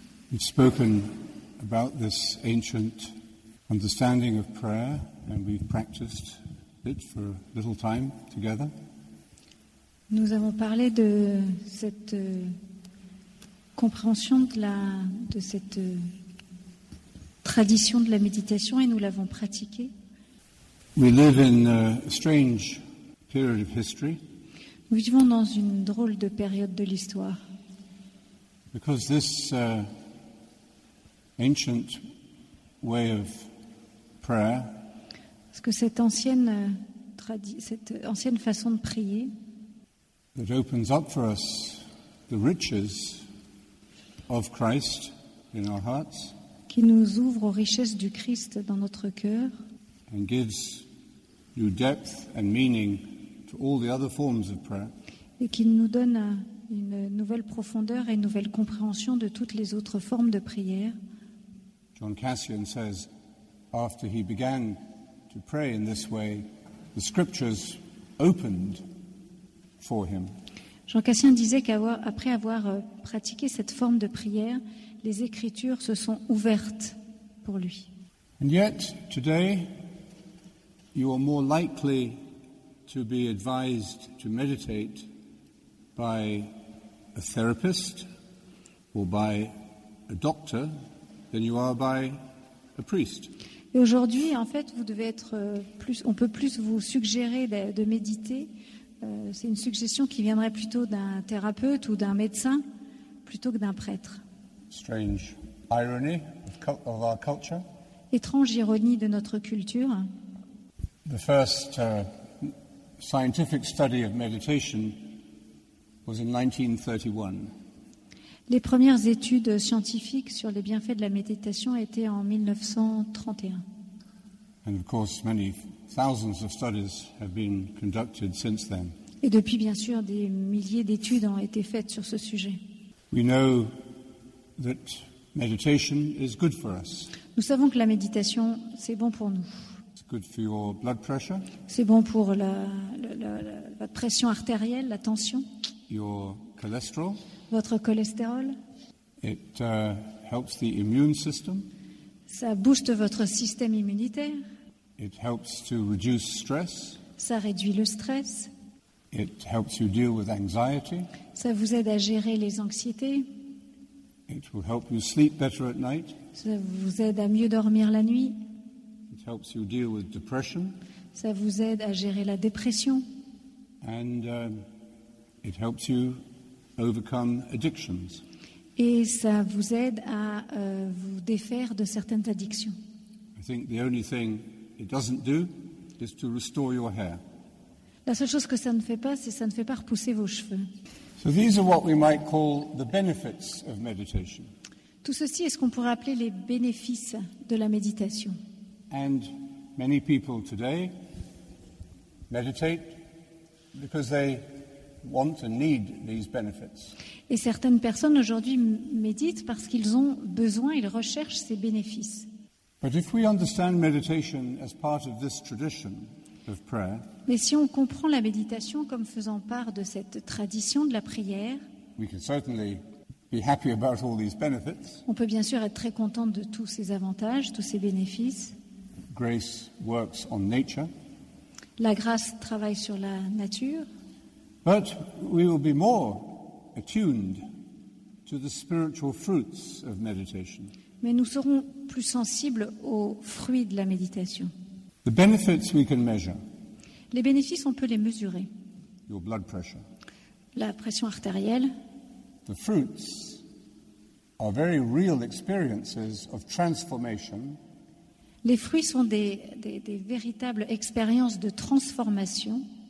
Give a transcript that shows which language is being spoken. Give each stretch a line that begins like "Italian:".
English: We've spoken about this ancient understanding of prayer, and we've practiced it for a little time together.
French: Nous avons parlé de cette compréhension de la de cette tradition de la méditation et nous l'avons pratiquée.
English: We live in a strange period of history.
French: Nous vivons dans une drôle de période de l'histoire.
English: Because this ancient way of prayer.
French: Parce que cette ancienne cette ancienne façon de prier.
English: That opens up for us the riches of Christ in our hearts.
French: Qui nous ouvre aux richesses du Christ dans notre cœur.
English: And gives new depth and meaning to all the other forms of prayer.
French: Et qui nous donne une nouvelle profondeur et une nouvelle compréhension de toutes les autres formes de prière.
English: John Cassian says, after he began to pray in this way, the scriptures opened for him.
French: Jean Cassien disait qu'après avoir pratiqué cette forme de prière, les écritures se sont ouvertes pour lui.
English: And yet, today, you are more likely to be advised to meditate by a therapist or by a doctor than you are by a priest.
French: Et aujourd'hui, en fait, vous devez être plus, on peut plus vous suggérer de méditer. C'est une suggestion qui viendrait plutôt d'un thérapeute ou d'un médecin plutôt que d'un prêtre.
English: Strange irony of our culture.
French: Étrange ironie de notre culture.
English: The first scientific study of meditation was in 1931.
French: Les premières études scientifiques sur les bienfaits de la méditation étaient en 1931.
English: And of course, many thousands of studies have been conducted since then.
French: Et depuis, bien sûr, des milliers d'études ont été faites sur ce sujet.
English: We know that meditation is good for us.
French: Nous savons que la méditation, c'est bon pour nous.
English: It's good for your blood pressure.
French: C'est bon pour la pression artérielle, la tension.
English: Your cholesterol.
French: Votre cholestérol.
English: It helps the immune system.
French: Ça booste votre système immunitaire.
English: It helps to reduce stress.
French: Ça réduit le stress.
English: It helps you deal with anxiety.
French: Ça vous aide à gérer les anxiétés.
English: It will help you sleep better at night.
French: Ça vous aide à mieux dormir la nuit.
English: It helps you deal with depression.
French: Ça vous aide à gérer la dépression.
English: And it helps you overcome addictions.
French: Et ça vous aide à vous défaire de certaines addictions.
English: I think the only thing it doesn't do is to restore your hair.
French: La seule chose que ça ne fait pas, c'est que ça ne fait pas repousser vos cheveux.
English: So these are what we might call the benefits of meditation.
French: Tout ceci est ce qu'on pourrait appeler les bénéfices de la méditation.
English: And many people today meditate because they want and need these benefits.
French: Et certaines personnes aujourd'hui méditent parce qu'ils ont besoin, ils recherchent ces bénéfices.
English: But if we understand meditation as part of this tradition of prayer,
French: mais si on comprend la méditation comme faisant part de cette tradition de la prière,
English: we can certainly be happy about all these benefits.
French: On peut bien sûr être très content de tous ces avantages, tous ces bénéfices.
English: Grace works on nature.
French: La grâce travaille sur la nature.
English: But we will be more attuned to the spiritual fruits of meditation.
French: Mais nous serons plus sensibles aux fruits de la méditation.
English: The benefits we can measure.
French: Les bénéfices, on peut les mesurer.
English: Your blood pressure.
French: La pression artérielle.
English: The fruits are very real experiences of transformation.
French: Les fruits sont des véritables expériences de transformation.